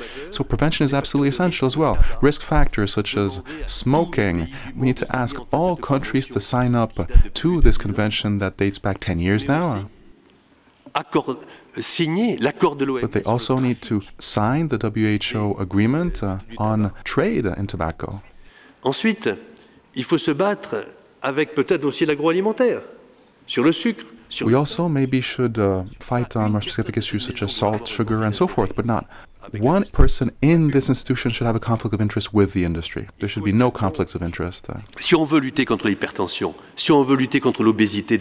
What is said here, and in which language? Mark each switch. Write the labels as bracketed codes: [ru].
[en] So prevention is absolutely essential as well. Risk factors such as smoking, we need to ask all countries to sign up to this convention that dates back 10 years now. But they also need to sign the WHO agreement on trade in tobacco. [fr] Ensuite, il faut se battre avec peut-être aussi l'agroalimentaire, sur le sucre. [en] We also maybe should fight on more specific issues such as salt, sugar, and so forth, but not. One person in this institution should have a conflict of interest with the industry. There should be no conflicts of interest. [fr] Si on veut lutter contre l'hypertension, si on veut lutter contre l'obésité,